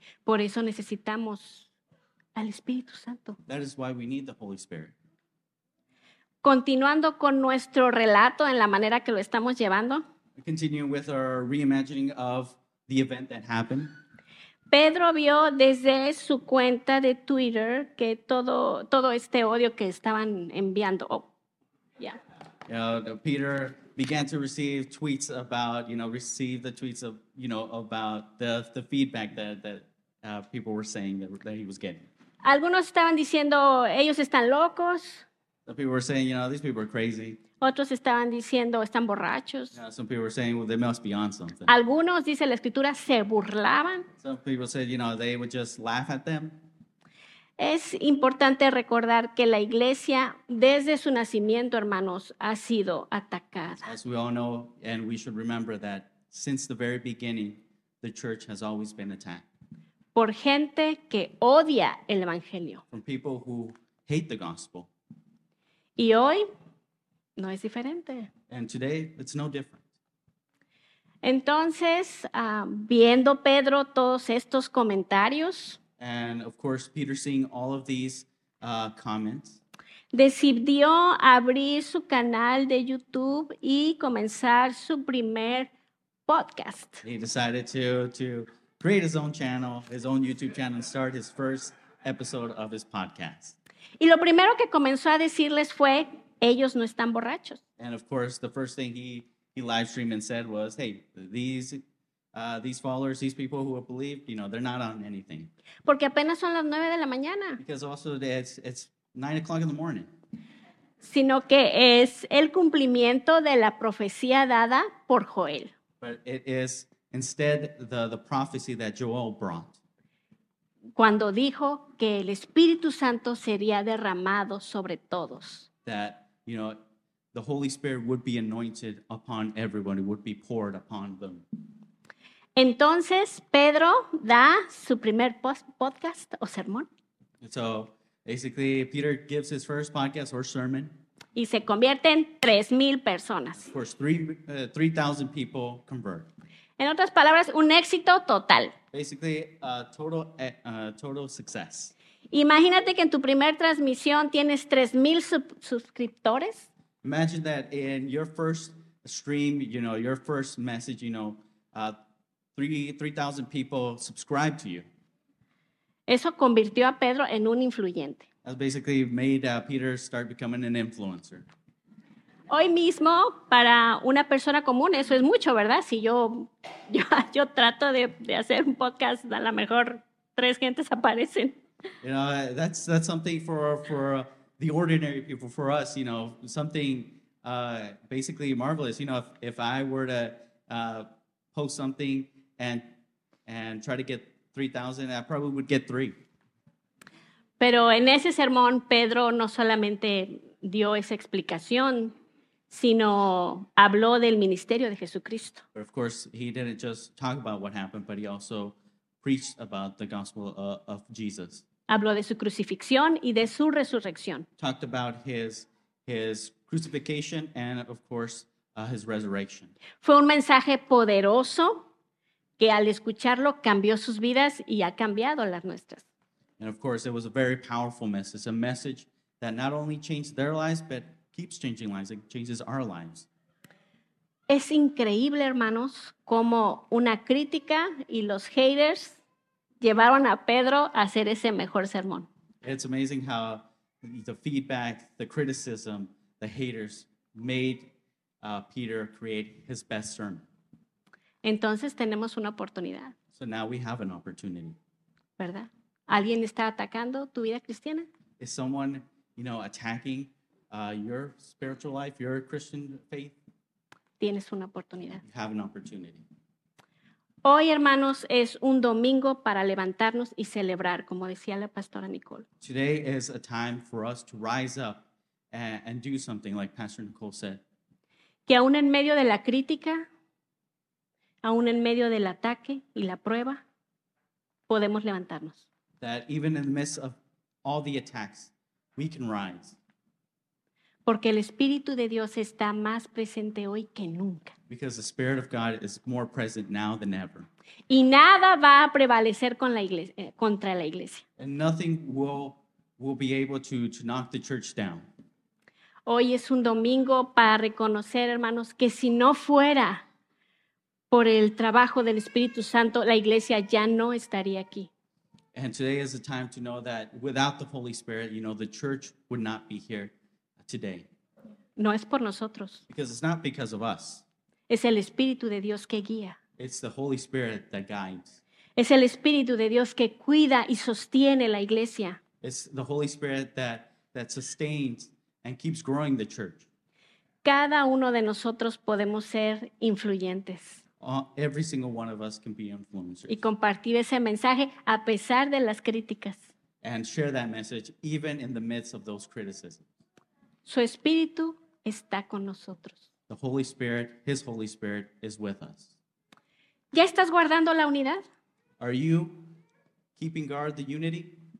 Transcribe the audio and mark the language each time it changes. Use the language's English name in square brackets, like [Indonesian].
[Spanish] Por eso necesitamos al Espíritu Santo. [English] That is why we need the Holy Spirit. [Spanish] Continuando con nuestro relato en la manera que lo estamos llevando. [English] Continue with our reimagining of the event that happened. [Spanish] Pedro vio desde su cuenta de Twitter que todo este odio que estaban enviando. [English] Oh, yeah. Peter began to receive tweets about, you know, receive the tweets of, you know, about the feedback that people were saying that he was getting. [Spanish] Algunos estaban diciendo, ellos están locos. [English] Some people were saying, you know, these people are crazy. [Spanish] Otros estaban diciendo, están borrachos. [English] You know, some people were saying, well, they must be on something. [Spanish] Algunos, dice la Escritura, se burlaban. [English] Some people said, you know, they would just laugh at them. [Spanish] Es importante recordar que la iglesia desde su nacimiento, hermanos, ha sido atacada. [English] As we all know, and we should remember that since the very beginning, the church has always been attacked. [Spanish] Por gente que odia el evangelio. [English] From people who hate the gospel. [Spanish] Y hoy no es diferente. [English] And today it's no different. [Spanish] Entonces, viendo Pedro todos estos comentarios, [English] and of course, Peter seeing all of these comments, [Spanish] decidió abrir su canal de YouTube y comenzar su primer podcast. [English] He decided to create his own channel, his own YouTube channel, and start his first episode of his podcast. [Spanish] Y lo primero que comenzó a decirles fue, ellos no están borrachos. [English] And of course, the first thing he live streamed and said was, hey, these followers, these people who have believed, you know, they're not on anything. [Spanish] Porque apenas son las 9 de la mañana. [English] Because also it's 9:00 in the morning. [Spanish] Sino que es el cumplimiento de la profecía dada por Joel. [English] But it is instead the prophecy that Joel brought. [Spanish] Cuando dijo que el Espíritu Santo sería derramado sobre todos. [English] That, you know, the Holy Spirit would be anointed upon everyone. It would be poured upon them. [Spanish] Entonces, Pedro da su primer podcast o sermón. [English] So, basically, Peter gives his first podcast or sermon. [Spanish] Y se convierte en 3,000 personas. [English] Of course, 3,000 people convert. [Spanish] En otras palabras, un éxito total. [English] Basically, total success. [Spanish] Imagínate que en tu primer transmisión tienes 3,000 suscriptores. [English] Imagine that in your first stream, you know, your first message, you know, 3,000 people subscribe to you. [Spanish] Eso convirtió a Pedro en un influyente. [English] That basically made Peter start becoming an influencer. [Spanish] Hoy mismo, para una persona común, eso es mucho, ¿verdad? Si yo trato de hacer un podcast, a lo mejor 3 gentes aparecen. [English] You know, that's something for the ordinary people, for us, you know, something basically marvelous. You know, if I were to post something and try to get 3,000, I probably would get 3. [Spanish] Pero en ese sermón, Pedro no solamente dio esa explicación, sino habló del ministerio de Jesucristo. [English] But of course, he didn't just talk about what happened, but he also preached about the gospel of Jesus. [Spanish] Habló de su crucifixión y de su resurrección. [English] Talked about his crucifixion and, of course, his resurrection. [Spanish] Fue un mensaje poderoso que al escucharlo cambió sus vidas y ha cambiado las nuestras. [English] And, of course, it was a very powerful message. A message that not only changed their lives, but keeps changing lives. It changes our lives. [Spanish] Es increíble, hermanos, cómo una crítica y los haters llevaron a Pedro a hacer ese mejor sermón. [English] It's amazing how the feedback, the criticism, the haters made Peter create his best sermon. [Spanish] Entonces tenemos una oportunidad. [English] So now we have an opportunity. [Spanish] ¿Verdad? ¿Alguien está atacando tu vida cristiana? [English] Is someone, you know, attacking your spiritual life, your Christian faith? [Spanish] Tienes una oportunidad. [English] You have an opportunity. [Spanish] Hoy, hermanos, es un domingo para levantarnos y celebrar, como decía la pastora Nicole. [English] Today is a time for us to rise up and do something, like Pastor Nicole said. [Spanish] Que aún en medio de la crítica, aún en medio del ataque y la prueba, podemos levantarnos. [English] That even in the midst of all the attacks, we can rise. [Spanish] Porque el Espíritu de Dios está más presente hoy que nunca. [English] Because the Spirit of God is more present now than ever. [Spanish] Y nada va a prevalecer con la iglesia, contra la iglesia. [English] And nothing will be able to knock the church down. [Spanish] Hoy es un domingo para reconocer, hermanos, que si no fuera por el trabajo del Espíritu Santo, la iglesia ya no estaría aquí. [English] And today is a time to know that without the Holy Spirit, you know, the church would not be here today. [Spanish] No es por nosotros. [English] Because it's not because of us. [Spanish] Es el Espíritu de Dios que guía. [English] It's the Holy Spirit that guides. [Spanish] Es el Espíritu de Dios que cuida y sostiene la iglesia. [English] It's the Holy Spirit that sustains and keeps growing the church. [Spanish] Cada uno de nosotros podemos ser influyentes. [English] Every single one of us can be influencers. [Spanish] Y compartir ese mensaje a pesar de las críticas. [English] and share that message even in the midst of those criticisms. [Spanish] Su espíritu está con nosotros. [English] The Holy Spirit, His Holy Spirit, is with us. [Spanish] ¿Ya estás guardando la unidad? [English] Are you keeping guard the unity?